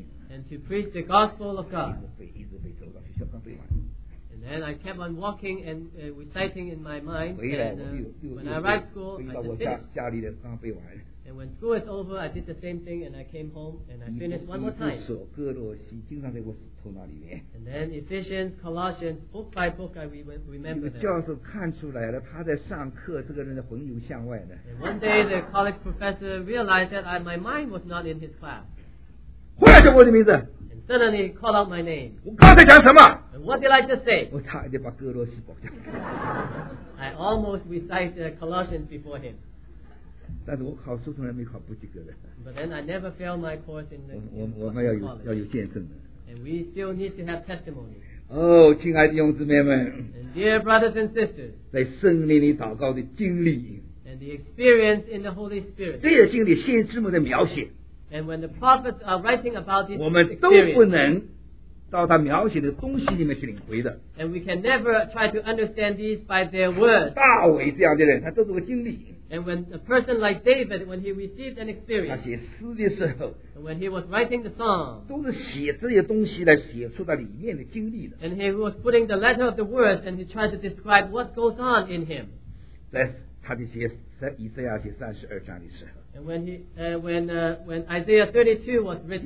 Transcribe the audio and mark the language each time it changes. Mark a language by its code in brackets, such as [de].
[en] And to preach the gospel of God. And then I kept on walking and reciting in my mind. And, when I arrived at school, I just finished. And when school is over, I did the same thing and I came home and I finished one more time. [zh] 以弗所哥罗西经常在我头脑里面。 [en] And then Ephesians, Colossians, book by book, I remember them. [zh] 教授看出来了，他在上课，这个人的魂游向外呢。 [en] And one day the college professor realized that my mind was not in his class. [zh] 呼喊着我的名字。 [en] And suddenly he called out my name. [zh] 我刚才讲什么？ [en] And what did I just say? [zh] 我差一点把哥罗西搞掉。 [en] I almost recited Colossians before him. [zh] 但是我考书从来没考不及格的。 [en] But then I never failed my course in the college. And we still need to have testimony. [zh] Oh, 亲爱的弟兄姊妹们, [en] and dear brothers and sisters, [zh] 在圣灵里祷告的经历, [en] and the experience in the Holy Spirit, [zh] 这些经历先知们的描写, [en] and when the prophets are writing about these experiences, [zh] 我们都不能到他描写的东西里面去领会的。 [en] And we can never try to understand these by their words. [zh] 大卫这样的人, 他都是个经历。 [en] And when a person like David, when he received an experience, [zh] 他写诗的时候, [en] when he was writing the psalm, [zh] 都是写这些东西来写出来里面的经历的, [en] and he was putting the letter of the words and he tried to describe what goes on in him. [zh] 在他的写以赛亚写32章的时候, [en] and when Isaiah 32 was written,